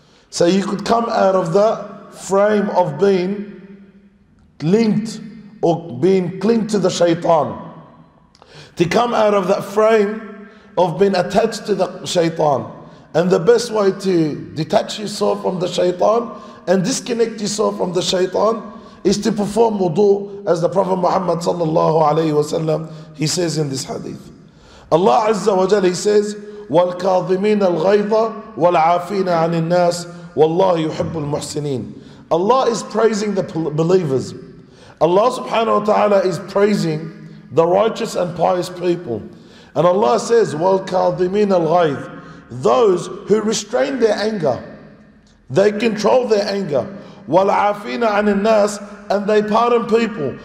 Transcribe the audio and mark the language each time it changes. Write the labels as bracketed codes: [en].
[en] So you could come out of that frame of being linked or being clinged to the shaitan, to come out of that frame of being attached to the shaitan. And the best way to detach yourself from the shaytan and disconnect yourself from the shaytan is to perform wudu, as the Prophet Muhammad sallallahu alayhi wa sallam, he says in this hadith. Allah azza wa jalla, he says, [ar] وَالْكَاظِمِينَ الْغَيْظَ وَالْعَافِينَ عَنِ النَّاسِ وَاللَّهِ يُحِبُّ الْمُحْسِنِينَ. [en] Allah is praising the believers. Allah subhanahu wa ta'ala is praising the righteous and pious people. And Allah says, [ar] وَالْكَاظِمِينَ الْغَيْظَ, [en] those who restrain their anger, they control their anger. [ar] وَالْعَافِينَ عَنِ النَّاسِ [en] And they pardon people.